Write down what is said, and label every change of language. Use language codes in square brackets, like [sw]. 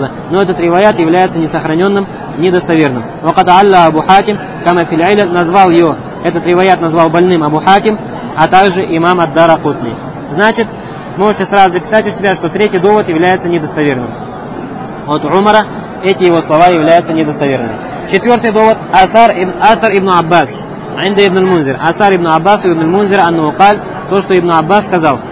[ru] Но этот риваят является несохраненным, недостоверным. [ar] وقد علل أبو حاتم كما في العلل [ru] назвал ее. Этот риваят назвал больным Абу Хатим, а также имам ад-Дарқутни. Значит, можете сразу записать у себя, что третий довод является недостоверным. От Умара эти его слова являются недостоверными. Четвертый довод Асар ибн Аббас. [ar] عند ابن المنذر [ru] Асар ибн Аббас и ибн المنذر [ar] أنه قال [ru] то, что ибн Аббас сказал.